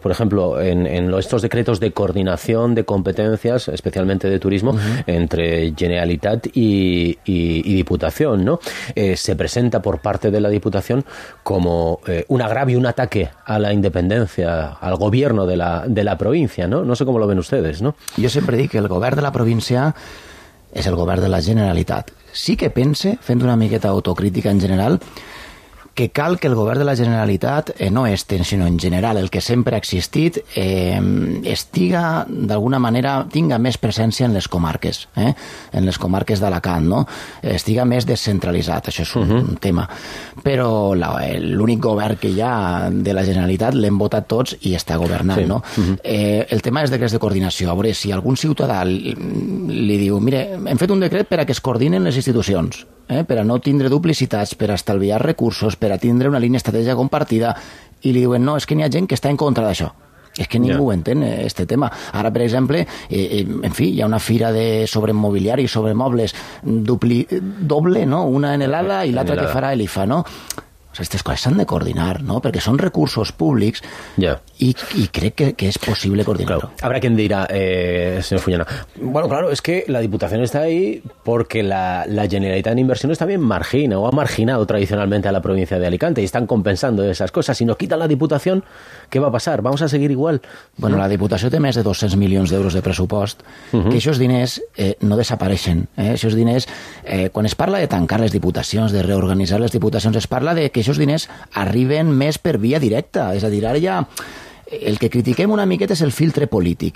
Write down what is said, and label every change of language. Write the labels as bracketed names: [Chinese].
[Spanish] Por ejemplo, en estos decretos de coordinación de competencias, especialmente de turismo, entre Generalitat y Diputación, ¿no? Se presenta por parte de la Diputación como un agravio, un ataque a la independencia, al gobierno de la provincia, ¿no? No sé cómo lo ven ustedes, ¿no? Yo siempre digo que el govern de la provincia es el govern de la Generalitat. [Catalan] Sí que pense, fent una miqueta autocrítica en general, que cal que el govern de la Generalitat, no este, sinó en general, el que sempre ha existit, estiga, d'alguna manera, tinga més presència en les comarques, en les comarques d'Alacant, no? Estiga més descentralitzat, això és un tema. Però l'únic govern que hi ha de la Generalitat l'hem votat tots i està governant, no? El tema és decrets de coordinació. A veure, si algun ciutadà li diu, mire, hem fet un decret per a que es coordinen les institucions, per a no tindre duplicitats, per a estalviar recursos, per a tindre una línia estratègica compartida, i li diuen, no, és que n'hi ha gent que està en contra d'això. És que ningú entén este tema. Ara, per exemple, en fi, hi ha una fira de sobre mobiliari, sobre mobles, doble, no? Una en l'ALA i l'altra que farà l'IFA, no? Aquestes coses s'han de coordinar, no? Perquè són recursos públics i crec que és possible coordinar-ho. [Spanish] Claro. Habrá quien dirá, señor Fullana, bueno, claro, es que la Diputación está ahí porque la Generalitat en Inversiones también margina o ha marginado tradicionalmente a la provincia de Alicante y están compensando esas cosas. Si nos quitan la Diputación, ¿qué va a pasar? ¿Vamos a seguir igual? [Catalan] Bueno, la Diputación té més de 200 milions d'euros de pressupost, que aquests diners no desapareixen. Aquests diners, quan es parla de tancar les diputacions, de reorganitzar les diputacions, es parla de que aquests diners arriben més per via directa. És a dir, ara ja el que critiquem una miqueta és el filtre polític.